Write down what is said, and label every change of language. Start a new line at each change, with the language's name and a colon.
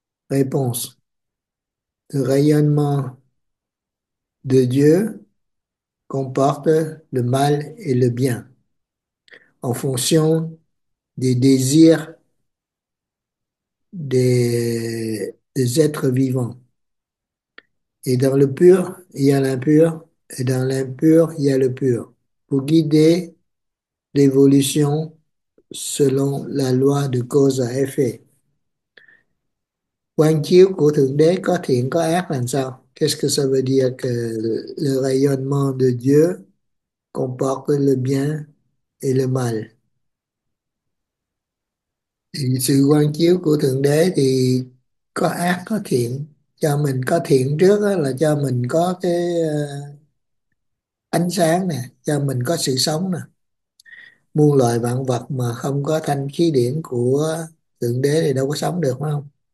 French: Réponse. Le rayonnement de Dieu comporte le mal et le bien en fonction des désirs des êtres vivants. Et dans le pur, il y a l'impur, et dans l'impur, il y a le pur, pour guider l'évolution selon la loi de cause à effet.
Vietnamese: Quang chiếu của Thượng Đế có thiện có ác làm sao?
French: Qu'est-ce que ça veut dire que le rayonnement de Dieu comporte le bien et le mal?
Vietnamese: Thì sự quang chiếu của Thượng Đế thì có ác có thiện, cho mình có thiện trước đó là cho mình có cái ánh sáng nè, cho mình có sự sống nè. Muôn loài vạn vật mà không có thanh khí điển của Thượng Đế thì đâu có sống được, phải không?